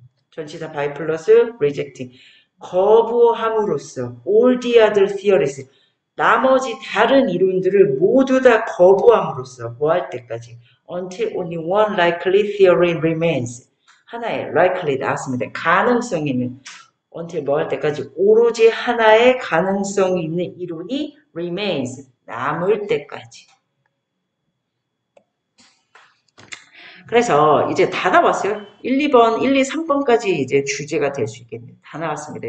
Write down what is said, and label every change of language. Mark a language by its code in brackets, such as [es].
[en] 전치사 by plus rejecting. [ko] 거부함으로써. [en] All the other theories. [ko] 나머지 다른 이론들을 모두 다 거부함으로써. 뭐할 때까지? [en] Until only one likely theory remains. [ko] 하나의 likely 나왔습니다. 가능성 있는. [en] Until [ko] 뭐할 때까지? 오로지 하나의 가능성 있는 이론이 [en] remains. [ko] 남을 때까지. 그래서 이제 다 나왔어요. 1, 2번, 1, 2, 3번까지 이제 주제가 될수 있겠네요. 다 나왔습니다.